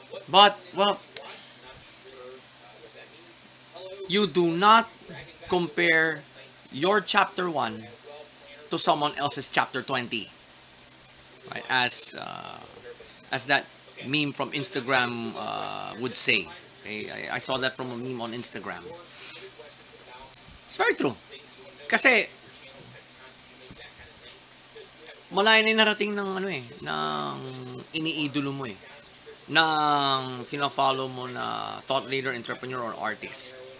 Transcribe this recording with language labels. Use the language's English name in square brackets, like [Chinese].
[English] But, well, you do not compare your chapter 1 to someone else's chapter 20. Right? As that meme from Instagram would say. I saw that from a meme on Instagram. It's very true. [Filipino] Kasi, malayan na narating ng ano eh, ng iniidolo mo eh. Ng fina-follow mo na [English] thought leader, entrepreneur, or artist.